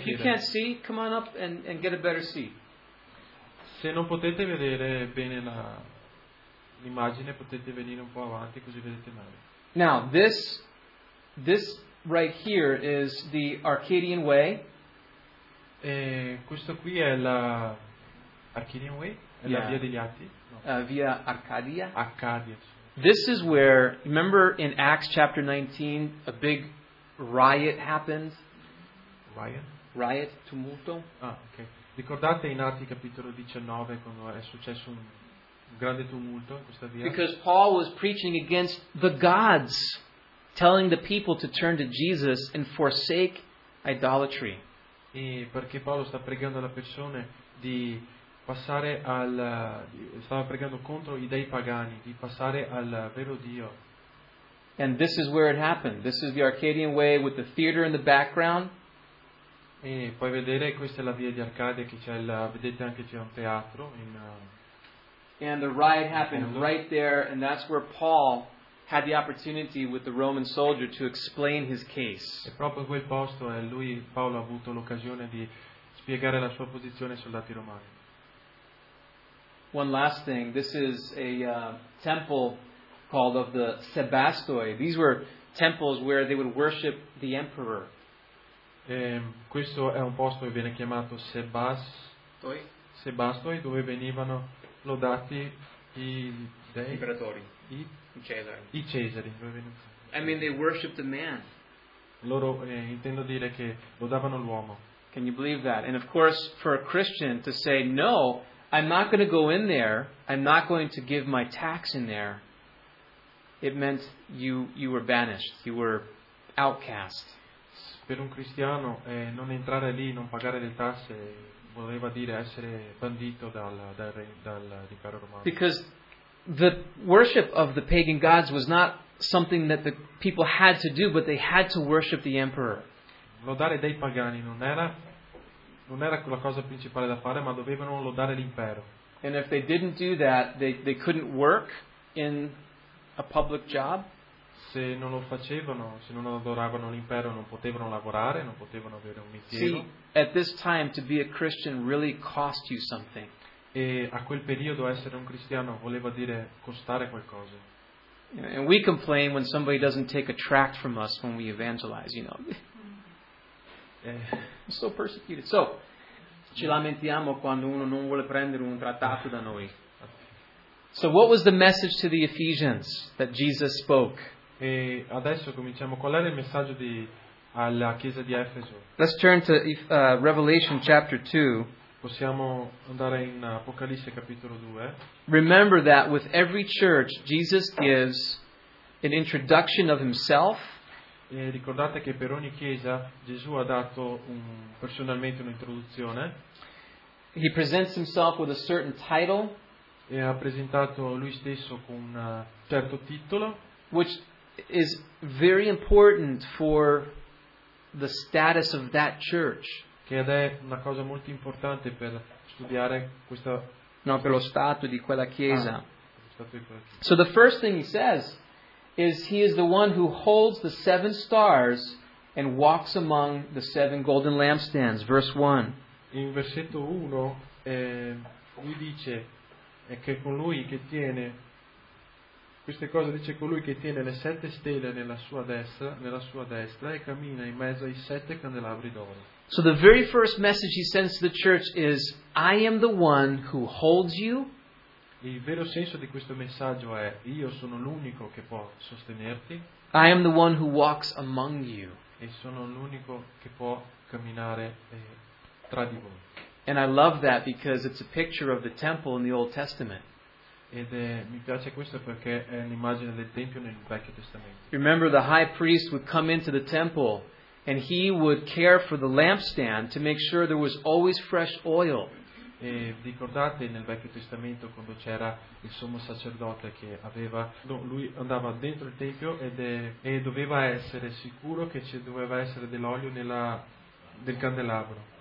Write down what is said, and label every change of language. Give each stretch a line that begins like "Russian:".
English: If you can't see, come on up and get a better seat.
Italian: Se non potete vedere bene l'immagine, potete venire un po' avanti così vedete meglio.
English: Now this right here is the Arcadian Way.
Italian: Questo qui è la Arcadian Way, è la via degli Atti. Via Arcadia. Arcadia.
English: This is where, remember in Acts chapter 19, a big riot happened. Riot,
Italian: tumulto. Ah, ok. Ricordate in Atti capitolo 19 quando è successo un grande tumulto in questa via?
English: Because Paul was preaching against the gods, telling the people to turn to Jesus and forsake idolatry.
Italian: E perché Paolo sta pregando alle persone di passare al, stava pregando contro I dei pagani di passare al vero Dio.
English: And this is where it happened. This is the Arcadian Way with the theater in the background.
Italian: E puoi vedere questa è la via di Arcadia che c'è il, vedete anche c'è un teatro in.
English: And the riot happened right there, and that's where Paul had the opportunity with the Roman soldier to explain his case.
Italian: E proprio in quel posto è lui Paolo ha avuto l'occasione di spiegare la sua posizione ai soldati romani.
English: One last thing, this is a temple called of the Sebastoi. These were temples where they would worship the emperor.
Italian: Questo è un posto che viene chiamato Sebastoi, dove venivano lodati I dei imperatori, I Cesari.
English: I mean, they worshipped the man.
Italian: Loro intendo dire che lodavano l'uomo.
English: Can you believe that? And of course, for a Christian to say no, I'm not going to go in there, I'm not going to give my tax in there, it meant you were banished, you were outcast.
Italian: Per un cristiano non entrare lì, non pagare le tasse, voleva dire essere bandito dall'impero romano.
English: Because the worship of the pagan gods was not something that the people had to do, but they had to worship the emperor.
Italian: Lodare dei pagani non era la cosa principale da fare, ma dovevano lodare l'impero.
English: And if they didn't do that, they couldn't work in a public job.
Italian: Se non lo facevano, se non adoravano l'impero, non potevano lavorare, non potevano avere un mestiere.
English: See, at this time to be a Christian really cost you something.
Italian: E a quel periodo essere un cristiano voleva dire costare qualcosa.
English: And we complain when somebody doesn't take a tract from us when we evangelize, you know. I'm so persecuted.
Italian: So, ci lamentiamo quando uno non vuole prendere un trattato da noi.
English: So, what was the message to the Ephesians that Jesus spoke?
Italian: E adesso cominciamo. Qual era il messaggio di alla chiesa di Efeso?
English: Let's turn to Revelation chapter 2.
Italian: Possiamo andare in Apocalisse capitolo 2.
English: Remember that with every church, Jesus gives an introduction of himself.
Italian: E ricordate che per ogni chiesa Gesù ha dato personalmente un'introduzione.
English: He presents himself with a certain title.
Italian: E ha presentato lui stesso con un certo titolo.
English: Which is very important for the status of that church.
Italian: Che è una cosa molto importante per studiare questa. No, per lo stato di quella chiesa. Ah.
English: So the first thing he says is he is the one who holds the seven stars and walks among the seven golden lampstands. Verse 1.
Italian: In versetto 1, lui dice che colui che tiene queste cose, dice colui che tiene le sette stelle nella sua destra e cammina in mezzo ai sette candelabri d'oro.
English: So the very first message he sends to the church is I am the one who holds you.
Italian: Il vero senso di questo messaggio è io sono l'unico che può sostenerti.
English: I am the one who walks among you.
Italian: E sono l'unico che può camminare tra di voi.
English: And I love that because it's a picture of the temple in the Old Testament.
Italian: Ed mi piace questo perché è l'immagine del tempio nel Vecchio Testamento.
English: Remember the high priest would come into the temple and he would care for the lampstand to make sure there was always fresh oil.
Italian: E ricordate nel Vecchio Testamento quando c'era il sommo sacerdote che aveva, lui andava dentro il tempio e doveva essere sicuro che ci doveva essere dell'olio del candelabro.